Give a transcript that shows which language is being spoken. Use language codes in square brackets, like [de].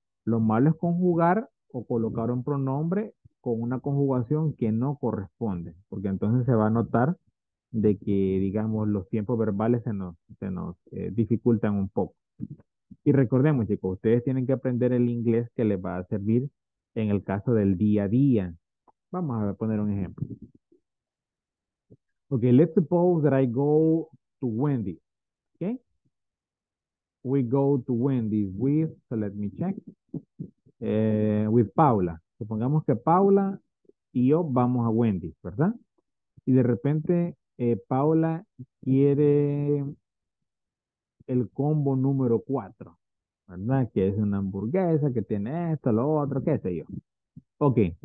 [es] Lo malo es conjugar o colocar un pronombre con una conjugación que no corresponde, porque entonces se va a notar de que, digamos, los tiempos verbales se nos dificultan un poco. Y recordemos, chicos, ustedes tienen que aprender el inglés que les va a servir en el caso del día a día. Vamos a poner un ejemplo. [en] Ok, let's suppose that I go to Wendy's. Ok. We go to Wendy's with, so let me check, with Paula. [es] Supongamos que Paula y yo vamos a Wendy's, ¿verdad? Y de repente Paula quiere el combo número 4. ¿Verdad? Que es una hamburguesa, que tiene esto, lo otro, qué sé yo. Ok.